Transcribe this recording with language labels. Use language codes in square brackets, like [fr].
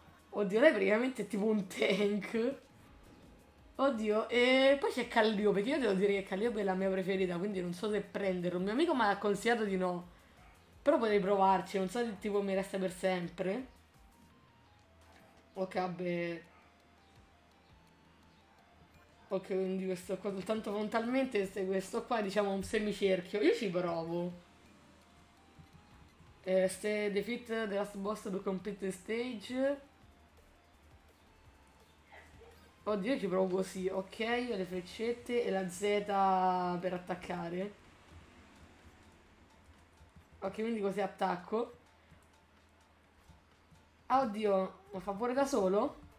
[it] Oddio, lei praticamente è tipo un tank. Oddio, e poi c'è Calliope, che io devo dire che Calliope è la mia preferita, quindi non so se prenderlo. Un mio amico mi ha consigliato di no. Però potrei provarci, non so se tipo mi resta per sempre. Ok, vabbè. Ok, quindi questo qua, tanto frontalmente questo qua è, diciamo, un semicerchio. Io ci provo. [en] Se defeat the last boss to complete the stage. [it] Oddio, io ci provo così. Ok, ho le freccette e la Z per attaccare. Ok, quindi così attacco. Ah, oddio, ma fa pure da solo?